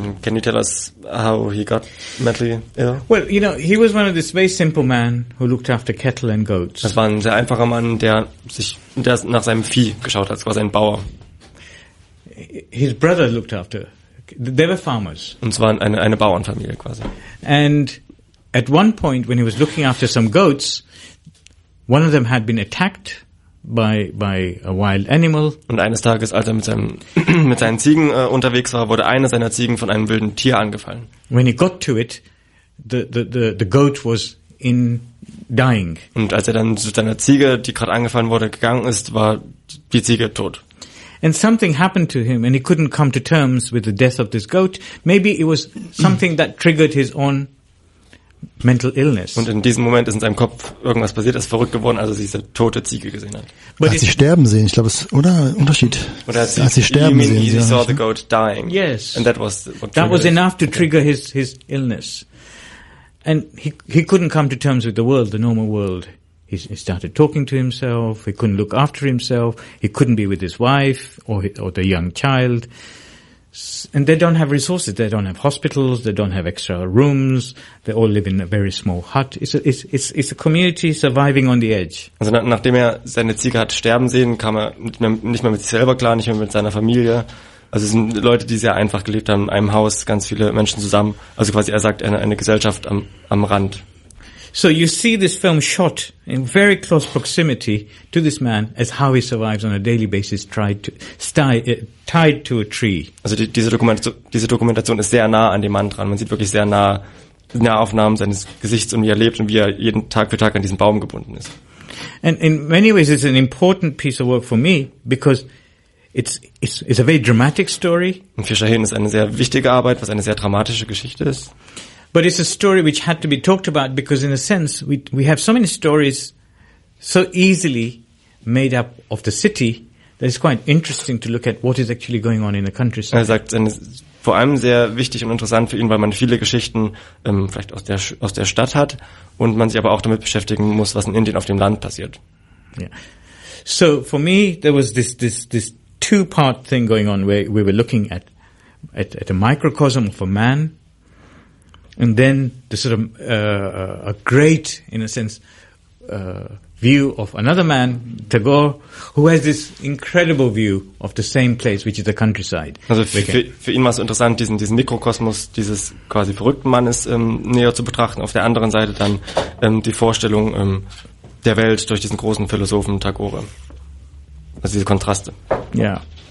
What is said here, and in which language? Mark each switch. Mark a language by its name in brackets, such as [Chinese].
[English] Can you tell us how he got mentally ill? Well, you know, he was one of these very simple men who looked after cattle and goats. [German] Das war ein sehr einfacher Mann, der nach seinem Vieh geschaut hat, quasi ein Bauer. [English] His brother looked after. They were farmers. [German] Und zwar eine Bauernfamilie quasi. [English] And at one point, when he was looking after some goats, one of them had been attacked by a wild animal. [German] Und eines Tages, als er mit seinen Ziegen unterwegs war, wurde eine seiner Ziegen von einem wilden Tier angefallen. [English] When he got to it, the goat was in dying. [German] Und als er dann zu seiner Ziege, die gerade angefallen wurde, gegangen ist, war die Ziege tot. [English] And something happened to him, and he couldn't come to terms with the death of this goat. Maybe it was something that triggered his own mental illness. [German] Und in diesem Moment ist in seinem Kopf irgendwas passiert, ist verrückt geworden, als er diese tote Ziege gesehen hat. But hat sie sterben sehen, ich glaube, es oder Unterschied. Oder hat sie sterben sehen. [English] He saw the goat dying. Yes. And that was enough to trigger his illness. And he couldn't come to terms with the world, the normal world. He started talking to himself. He couldn't look after himself. He couldn't be with his wife or the young child. And they don't have resources. They don't have hospitals. They don't have extra rooms. They all live in a very small hut. It's a community surviving on the edge. [German] Also nachdem er seine Ziege hat sterben sehen, kam er nicht mehr mit sich selber klar, nicht mehr mit seiner Familie. Also es sind Leute, die sehr einfach gelebt haben, in einem Haus, ganz viele Menschen zusammen. Also quasi, er sagt, eine Gesellschaft am Rand. [English] So you see this film shot in very close proximity to this man as how he survives on a daily basis tied to a tree. [German] Also diese Dokumentation ist sehr nah an dem Mann dran. Man sieht wirklich sehr nah Nahaufnahmen seines Gesichts und wie er lebt und wie er jeden Tag für Tag an diesen Baum gebunden ist. [English] And in many ways it's an important piece of work for me because it's a very dramatic story. [German] Und für Shahin ist eine sehr wichtige Arbeit, was eine sehr dramatische Geschichte ist. [English] But it's a story which had to be talked about because in a sense we have so many stories so easily made up of the city that it's quite interesting to look at what is actually going on in the countryside. [German] Er sagt, es ist vor allem sehr wichtig und interessant für ihn, weil man viele Geschichten vielleicht aus der Stadt hat und man sich aber auch damit beschäftigen muss, was in Indien auf dem Land passiert. [English] Yeah. So for me there was this two-part thing going on where we were looking at a microcosm of a man. And then the sort of a great, in a sense, view of another man, Tagore, who has this incredible view of the same place, which is the countryside. [German] Also für ihn war es interessant, diesen Mikrokosmos dieses quasi verrückten Mannes näher zu betrachten. Auf der anderen Seite dann die Vorstellung der Welt durch diesen großen Philosophen Tagore. Also diese Kontraste. Ja. Yeah.